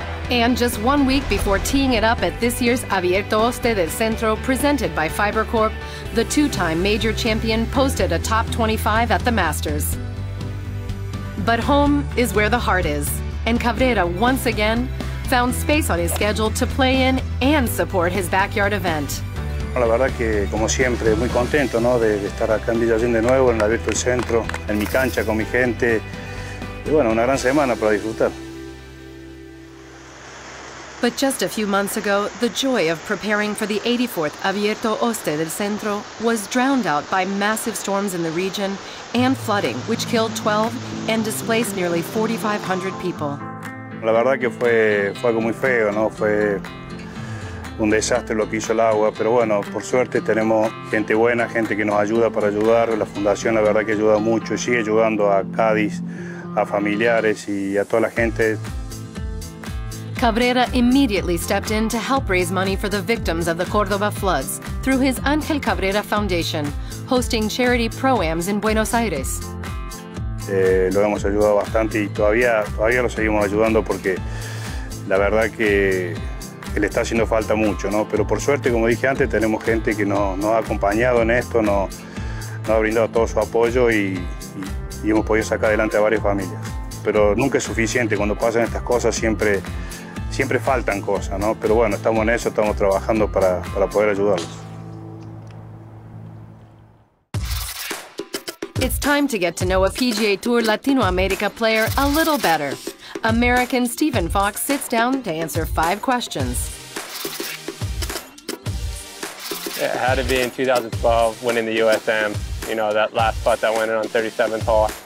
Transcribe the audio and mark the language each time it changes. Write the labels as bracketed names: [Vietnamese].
[English] And just 1 week before teeing it up at this year's Abierto OSDE del Centro, presented by FiberCorp, the two-time major champion posted a top 25 at the Masters. But home is where the heart is, and Cabrera once again found space on his schedule to play in and support his backyard event. [Spanish] La verdad que, como siempre, muy contento, ¿no? de estar acá en Villallín de nuevo, en el Abierto del Centro, en mi cancha, con mi gente. Y bueno, una gran semana para disfrutar. [English] But just a few months ago, the joy of preparing for the 84th Abierto OSDE del Centro was drowned out by massive storms in the region and flooding, which killed 12 and displaced nearly 4,500 people. [Spanish] La verdad que fue algo muy feo, ¿no? Fue un desastre lo que hizo el agua, pero bueno, por suerte tenemos gente buena, gente que nos ayuda para ayudar. La fundación, la verdad que ayuda mucho y sigue ayudando a Cádiz, a familiares y a toda la gente. [English] Cabrera immediately stepped in to help raise money for the victims of the Córdoba floods through his Angel Cabrera Foundation, hosting charity pro-ams in Buenos Aires. [Spanish] Lo hemos ayudado bastante y todavía lo seguimos ayudando porque la verdad que le está haciendo falta mucho, ¿no? Pero por suerte, como dije antes, tenemos gente que nos ha acompañado en esto, nos ha brindado todo su apoyo y hemos podido sacar adelante a varias familias. Pero nunca es suficiente, cuando pasan estas cosas siempre faltan cosas, ¿no? Pero bueno, estamos en eso, estamos trabajando para poder ayudarlos. [English] It's time to get to know a PGA Tour Latinoamérica player a little better. American Stephen Fox sits down to answer five questions. It had to be in 2012, winning the USAM. You know, that last putt that went in on 37th hole.